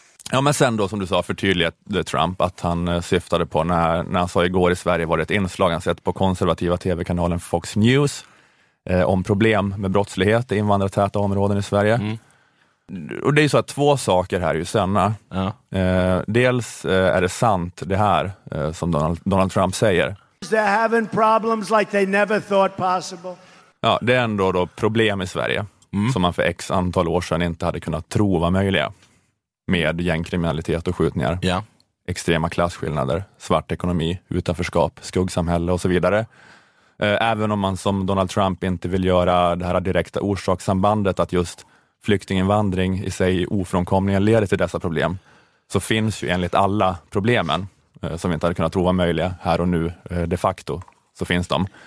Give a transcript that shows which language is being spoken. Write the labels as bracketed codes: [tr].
[sv] Ja, men sen då som du sa förtydligade Trump att han syftade på när han sa igår i Sverige var det ett inslag han sett på konservativa tv-kanalen Fox News om problem med brottslighet i invandrartäta områden i Sverige. Och det är ju så att två saker här är ju sanna. Ja. Dels är det sant det här som Donald Trump säger. [en] They're having problems like they never thought possible. [sv] Ja, det är ändå då problem i Sverige som man för x antal år sedan inte hade kunnat tro var möjliga. Med gängkriminalitet och skjutningar. Ja. Extrema klassskillnader, svart ekonomi, utanförskap, skuggsamhälle och så vidare. Även om man som Donald Trump inte vill göra det här direkta orsakssambandet att just flyktinginvandring i sig ofrånkomligen leder till dessa problem, så finns ju enligt alla problemen som vi inte hade kunnat tro var möjliga här och nu de facto, så finns de.